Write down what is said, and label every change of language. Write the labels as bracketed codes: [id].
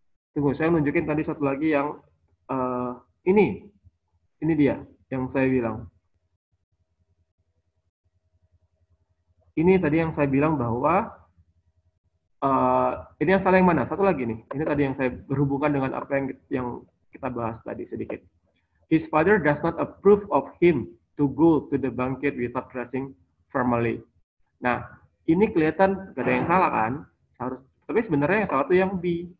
[id] Tunggu, saya nunjukin tadi satu lagi yang ini dia yang saya bilang. Ini tadi yang saya bilang bahwa ini yang salah yang mana? Satu lagi nih. Ini tadi yang saya berhubungkan dengan apa yang kita bahas tadi sedikit. [en] His father does not approve of him to go to the banquet without dressing formally. [id] Nah, ini kelihatan gak ada yang salah kan? Harus, tapi sebenarnya yang salah itu yang B.